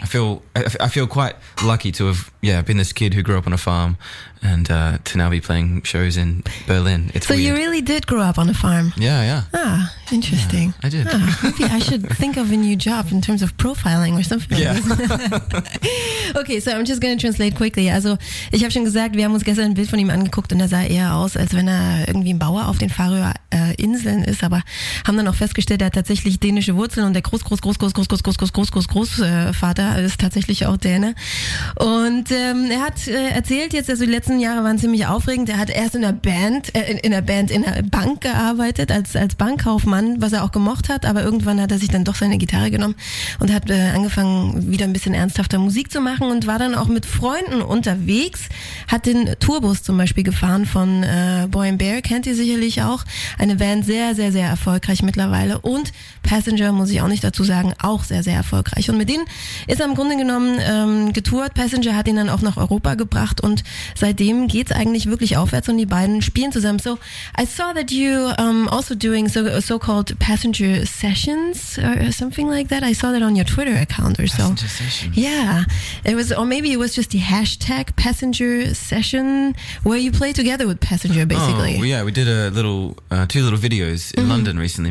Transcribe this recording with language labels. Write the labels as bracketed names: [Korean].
[English] I feel quite lucky to have been this kid who grew up on a farm and to now be playing shows in Berlin. It's so weird. You really did grow up on a farm? Yeah, yeah. Ah, interesting. Yeah, I did. Ah, maybe I should think of a new job in terms of profiling or something. Yeah. Okay, so I'm just going to translate quickly. [German] Also, ich habe schon gesagt, wir haben uns gestern ein Bild von ihm angeguckt und er sah eher aus, als wenn er irgendwie ein Bauer auf den Faroer Inseln ist, aber haben dann auch festgestellt, er hat tatsächlich dänische Wurzeln und der Großvater ist tatsächlich auch Däne. Und er hat erzählt jetzt, also die letzten Jahre waren ziemlich aufregend, er hat erst in einer Bank gearbeitet, als Bankkaufmann, was er auch gemocht hat, aber irgendwann hat er sich dann doch seine Gitarre genommen und hat angefangen, wieder ein bisschen ernsthafter Musik zu machen und war dann auch mit Freunden unterwegs, hat den Tourbus zum Beispiel gefahren von Boy and Bear, kennt ihr sicherlich auch, eine Band, sehr, sehr, sehr erfolgreich mittlerweile, und Passenger, muss ich auch nicht dazu sagen, auch sehr, sehr erfolgreich. Und mit denen ist er im Grunde genommen getourt. Passenger hat ihn dann auch nach Europa gebracht und seitdem geht's eigentlich wirklich aufwärts und die beiden spielen zusammen. [English] So, I saw that you also doing so-called Passenger Sessions or something like that. I saw that on your Twitter account or Passenger so. Passenger Sessions. Yeah. It was, or maybe it was just the hashtag Passenger Session, where you play together with Passenger, basically. Oh, yeah. We did a little, two little videos in mm-hmm. London recently.